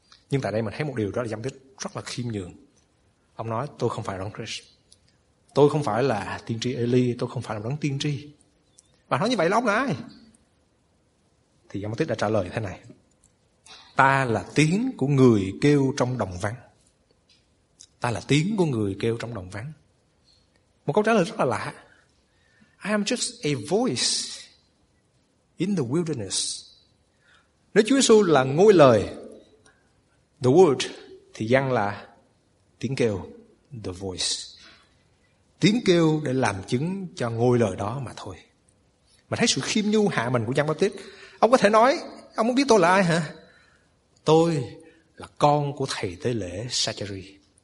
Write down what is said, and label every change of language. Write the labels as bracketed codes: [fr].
[vi] Nhưng tại đây mình thấy một điều đó là Giăng Baptist rất là khiêm nhường. Ông nói: tôi không phải là đấng Christ. Tôi không phải là tiên tri Eli. Tôi không phải là đấng tiên tri. Bạn nói như vậy là ông là ai? Thì ông Thích đã trả lời thế này: ta là tiếng của người kêu trong đồng vắng. Ta là tiếng của người kêu trong đồng vắng. Một câu trả lời rất là lạ. [en] I am just a voice in the wilderness. [vi] Nếu Chúa Giêsu là ngôi lời, the word, thì dân là tiếng kêu, the voice. Tiếng kêu để làm chứng cho ngôi lời đó mà thôi. Mà thấy sự khiêm nhu hạ mình của Giăng Báp-tít. Ông có thể nói, ông muốn biết tôi là ai hả? Tôi là con của thầy tế lễ Sacheri.